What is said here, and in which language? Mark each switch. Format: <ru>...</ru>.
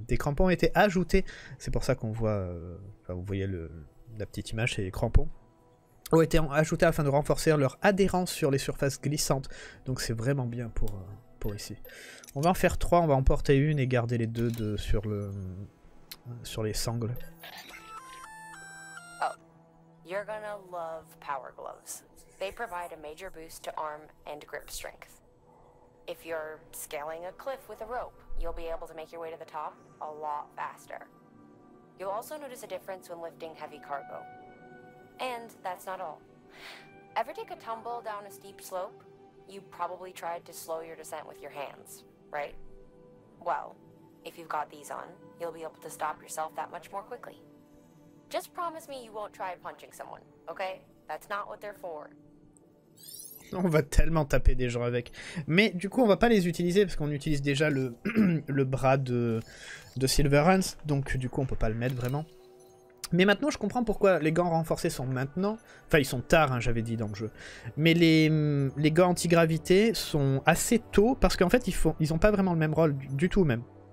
<fr>Des crampons ont été ajoutés, c'est pour ça qu'on voit, enfin vous voyez la petite image, c'est les crampons, ont été ajoutés afin de renforcer leur adhérence sur les surfaces glissantes. Donc c'est vraiment bien pour ici. On va en faire 3, on va en porter une et garder les deux sur les sangles.</fr> <en>You're gonna love power gloves. They provide a major boost to arm and grip strength. If you're scaling a cliff with a rope, you'll be able to make your way to the top a lot faster. You'll also notice a difference when lifting heavy cargo. And that's not all. Ever take a tumble down a steep slope? You probably tried to slow your descent with your hands, right? Well, if you've got these on, you'll be able to stop yourself that much more quickly. Just promise me you won't try punching someone, okay? That's not what they're for.</en> <fr>On va tellement taper des gens avec. Mais du coup, on va pas les utiliser parce qu'on utilise déjà le bras de Silverhands. Donc du coup, on peut pas le mettre vraiment. Mais maintenant, je comprends pourquoi les gants renforcés sont maintenant. Enfin, ils sont tard, hein, j'avais dit dans le jeu. Mais les gants antigravité sont assez tôt parce qu'en fait, ils ont pas vraiment le même rôle du tout même.</fr>